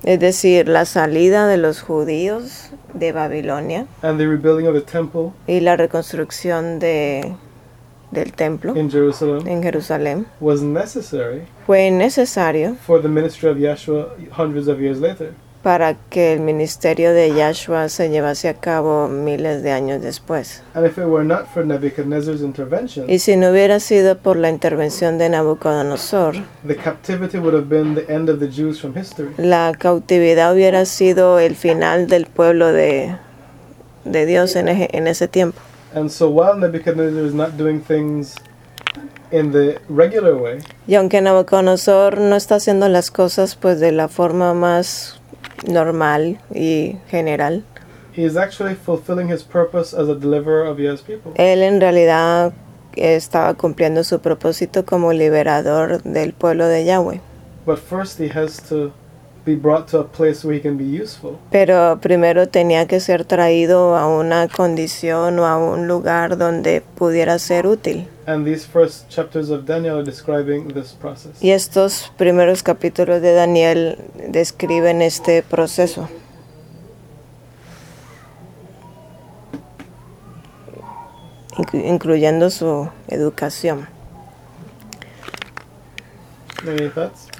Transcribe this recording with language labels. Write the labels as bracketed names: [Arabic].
[Spanish] es decir, la salida de los judíos de Babilonia, [English] and the rebuilding of the temple, [Spanish] y la reconstrucción del templo [English] in Jerusalem, [Spanish] en Jerusalén, [English] was necessary, [Spanish] fue necesario [English] for the ministry of Yahshua hundreds of years later, [Spanish] para que el ministerio de Yahshua se llevase a cabo miles de años después. [English] And if it were not for Nebuchadnezzar's intervention, [Spanish] y si no hubiera sido por la intervención de Nabucodonosor, [English] the captivity would have been the end of the Jews from history. [Spanish] La cautividad hubiera sido el final del pueblo de Dios en ese tiempo. [English] And so while Nebuchadnezzar is not doing things in the regular way, [Spanish] y aunque Nabucodonosor no está haciendo las cosas pues de la forma más normal y general, [English] he is actually fulfilling his purpose as a deliverer of Yah's people. [Spanish] Él en realidad estaba cumpliendo su propósito como liberador del pueblo de Yahweh. [English] But first he has to be brought to a place where he can be useful. [Spanish] Pero primero tenía que ser traído a una condición o a un lugar donde pudiera ser útil. [English] And these first chapters of Daniel are describing this process. [Spanish] Y estos primeros capítulos de Daniel describen este proceso. Incluyendo su educación. [English] Any thoughts?